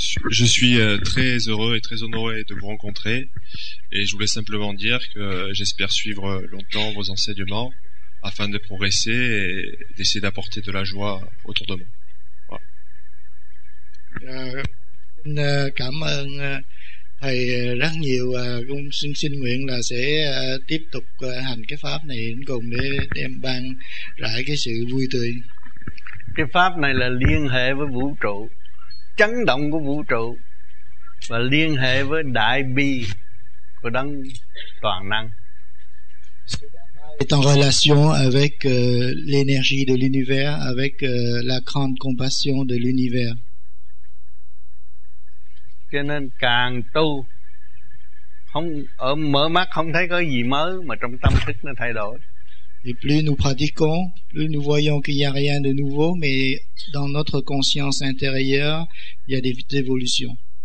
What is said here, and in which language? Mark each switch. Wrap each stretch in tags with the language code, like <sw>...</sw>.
<fr>Je suis très heureux et très honoré de vous rencontrer, et je voulais simplement dire que j'espère suivre longtemps vos enseignements afin de progresser et d'essayer d'apporter de la joie autour de moi. Voilà.</fr> <vi>Cảm ơn thầy rất nhiều, cũng xin nguyện là sẽ tiếp tục hành cái pháp này đến cùng để đem ban rải cái sự vui tươi. Cái pháp này là liên hệ với vũ trụ, chấn động của vũ trụ và liên hệ với đại bi của đấng toàn năng.</vi> <fr>C'est en relation avec l'énergie de l'univers, avec la grande compassion de l'univers.</fr> <vi>Cho nên càng tu không ở mở mắt không thấy có gì mới, mà trong tâm thức nó thay đổi.</vi> <fr>Et plus nous pratiquons, plus nous voyons qu'il n'y a rien de nouveau, mais dans notre conscience intérieure, il y a des évolutions.</fr>